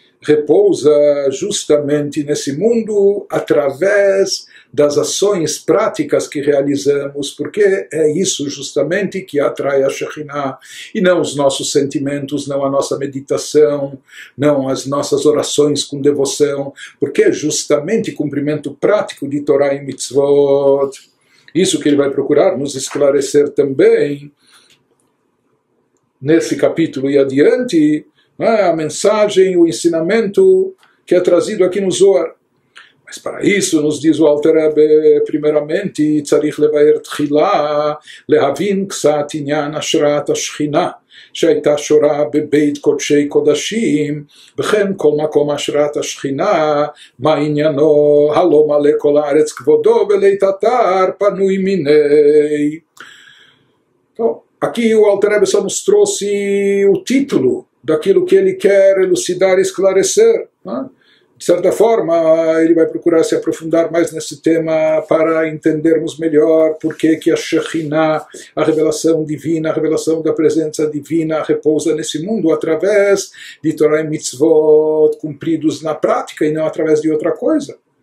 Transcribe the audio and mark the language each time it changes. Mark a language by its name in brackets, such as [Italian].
[Portuguese] repousa justamente nesse mundo através das ações práticas que realizamos, porque é isso justamente que atrai a Shekhinah, e não os nossos sentimentos, não a nossa meditação, não as nossas orações com devoção, porque é justamente cumprimento prático de Torá e Mitzvot. Isso que ele vai procurar nos esclarecer também, nesse capítulo e adiante, a mensagem, o ensinamento que é trazido aqui no Zohar. Mas para isso, nos diz o Alter Rebbe, primeiramente, [Hebrew] צריך לבאר תחילה להבין קצת עניין השראת השכינה שהייתה שורה בבית קודשי קודשים, וכן כל מקום השראת השכינה, מה עניינו הלא מלא כל הארץ כבודו ולית אתר פנוי מיני. [Portuguese] Aqui o Alter Rebbe só nos trouxe o título daquilo que ele quer elucidar e esclarecer. De certa forma, ele vai procurar se aprofundar mais nesse tema para entendermos melhor por que que a Shekhinah, a revelação divina, a revelação da presença divina, repousa nesse mundo através de Torah e Mitzvot cumpridos na prática e não através de outra coisa.